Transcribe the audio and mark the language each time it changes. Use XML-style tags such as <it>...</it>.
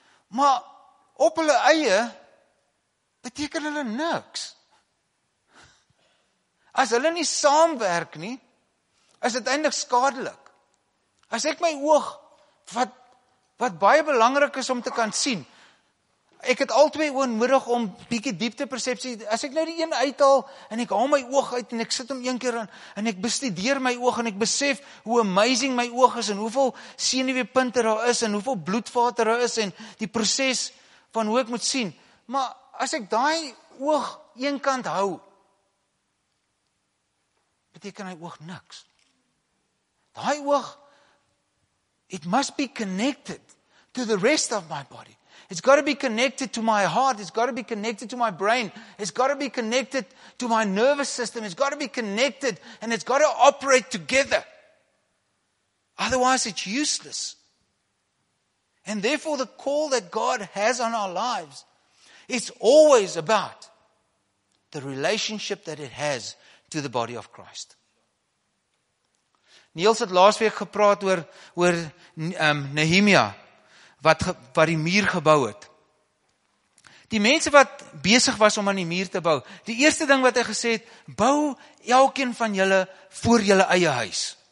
<af>Maar op hulle eie beteken hulle niks. As hulle nie saamwerk nie, is dit eintlik skadelik. As ek my oog wat baie belangrik is om te kan sien. Ek het al twee oë nodig om bietjie dieptepersepsie. As ek nou die een uithaal en ek haal my oog uit en ek sit hom een keer aan en ek bestudeer my oog en ek besef hoe amazing my oog is en hoeveel senuweepunte daar is en hoeveel bloedvate daar is en die proses van hoe ek moet sien. Maar as ek daai oog een kant hou, beteken hy oog niks. Daai oog,</af> <en>it must be connected to the rest of my body. It's got to be connected to my heart. It's got to be connected to my brain. It's got to be connected to my nervous system. It's got to be connected and it's got to operate together. Otherwise, it's useless. And therefore, the call that God has on our lives is always about the relationship that it has to the body of Christ.</en> <af>Niels het laas week gepraat oor Nehemia, wat die muur gebou het. Die mense wat besig was om aan die muur te bou, die eerste ding wat hy gesê het, bou elkeen van julle voor julle eie huis.</af>